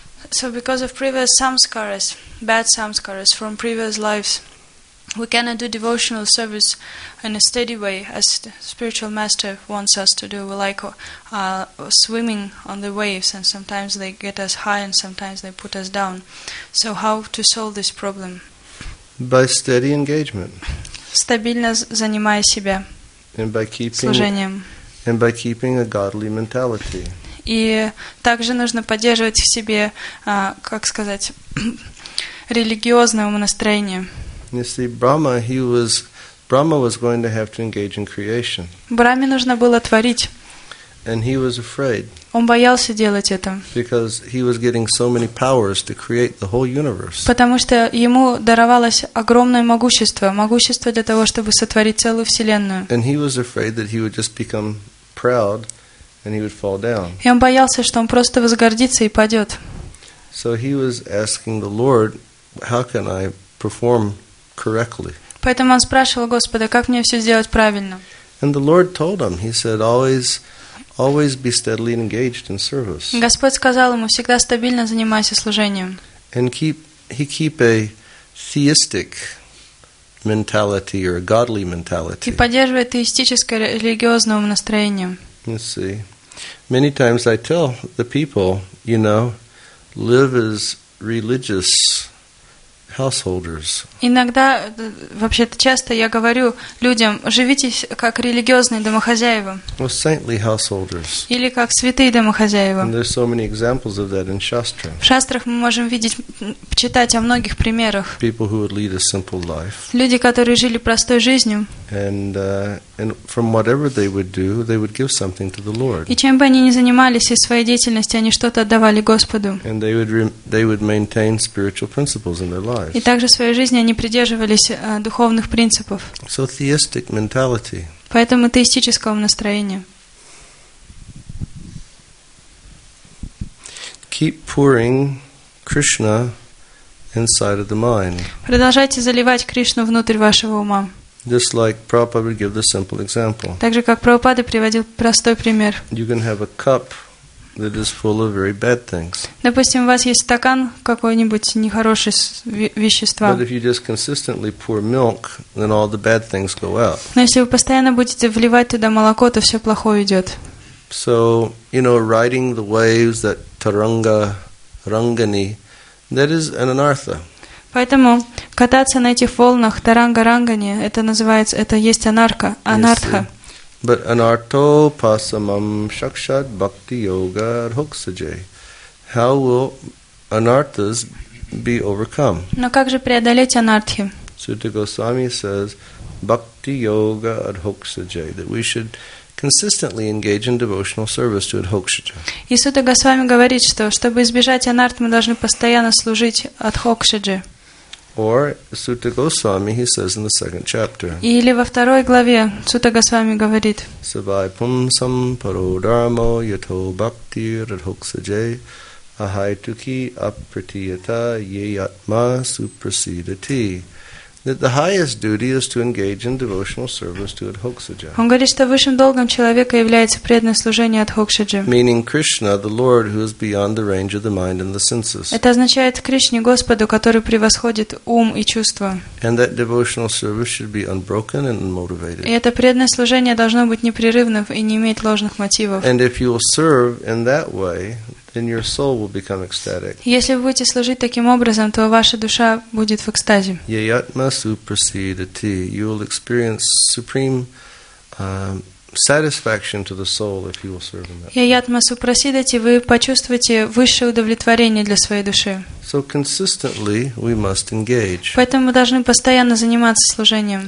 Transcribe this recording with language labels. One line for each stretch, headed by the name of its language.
English: So because of previous samskaras, bad samskaras from previous lives, we cannot do devotional service in a steady way as the spiritual master wants us to do. We like swimming on the waves, and sometimes they get us high and sometimes they put us down. So how to solve this problem? By steady engagement.
Russian: Стабильно занимая себя.
English: And by keeping a godly mentality.
Russian: И также нужно поддерживать в себе, как сказать, религиозное умонастроение.
English: You see, Brahma, Brahma was going to have to engage in creation.
Russian: Брахме нужно было творить.
English: And he was afraid.
Russian: Он боялся делать это.
English: Because he was getting so many powers to create the whole universe.
Russian: Потому что ему даровалось огромное могущество, могущество для того, чтобы сотворить целую вселенную.
English: And he was afraid that he would just become proud. And he would fall down.
Russian: И он боялся, что он просто возгордится и падет.
English: So he was asking the Lord, how can I perform correctly?
Russian: Поэтому он спрашивал Господа, как мне все сделать правильно.
English: And the Lord told him, he said, always be steadily engaged in service.
Russian: Господь сказал ему, всегда стабильно занимайся служением.
English: And keep a theistic mentality or a godly mentality.
Russian: И поддерживает теистическое религиозное настроение.
English: You see, many times I tell the people, you know, live as religious householders.
Russian: Иногда, вообще-то часто я говорю людям, живите как религиозные домохозяева.
English: Or saintly householders.
Russian: Или как святые домохозяева.
English: And there's so many examples of that in Shastra.
Russian: В шастрах мы можем видеть, читать о многих примерах.
English: People who would lead a simple life.
Russian: Люди, которые жили простой жизнью.
English: And from whatever they would do, they would give something to the Lord.
Russian: И чем бы они ни занимались из своей деятельности, они что-то отдавали Господу.
English: And they would maintain spiritual principles in their lives.
Russian: И также в своей жизни они придерживались духовных принципов.
English: So theistic mentality.
Russian: Поэтому теистического настроения.
English: Keep pouring Krishna inside of the mind.
Russian: Продолжайте заливать Кришну внутрь вашего ума.
English: Just like Prabhupada would give the simple example.
Russian: Так же, как Прабхупада приводил простой пример.
English: You can have a cup that is full of very bad things.
Russian: Допустим, у вас есть стакан какой-нибудь нехорошего вещества.
English: But if you just consistently pour milk, then all the bad things go out.
Russian: Но если вы постоянно будете вливать туда молоко, то все плохое идет.
English: So, you know, riding the waves, that taranga, rangani, that is an anartha.
Russian: Поэтому кататься на этих волнах таранга-рангани, это называется, это есть анарха, анартха.
Sanskrit: But anartho pasamam shakshat bhakti yoga rhoksajay.
English: How will anarthas be overcome?
Russian: Но как же преодолеть анартхи?
English: Sutta Goswami says
Sanskrit: bhakti yoga rhoksajay,
English: that we should consistently engage in devotional service to Adhokshita.
Russian: Sutta Goswami говорит, что чтобы избежать анарт, мы должны постоянно служить Адхокшиджи.
English: Or Sutta Goswami, he says in the second chapter.
Russian: Или во второй главе Сутта Госвами говорит.
Sanskrit: Savai pumsam paro dharmo yato bhakti radhoksaje ahaituki apratiyata yeyatma suprasidati.
English: That the highest duty is to engage in devotional service to Adhokshaja.
Russian: Он говорит, что высшим долгом человека является преданное служение Адхокшаджи.
English: Meaning Krishna, the Lord who is beyond the range of the mind and the senses.
Russian: Это означает Кришне, Господу, который превосходит ум и чувства.
English: And that devotional service should be unbroken and unmotivated.
Russian: И это преданное служение должно быть непрерывным и не иметь ложных мотивов.
English: And if you will serve in that way, then your soul will become ecstatic.
Russian: Если вы будете служить таким образом, то ваша душа будет в экстазе.
Sanskrit: Yayatma supersedati.
English: You will experience supreme satisfaction to the soul if you will serve in that.
Sanskrit: Yayatma supersedati.
Russian: Вы почувствуете высшее удовлетворение для своей души.
English: So consistently we must engage. Поэтому мы должны постоянно заниматься служением.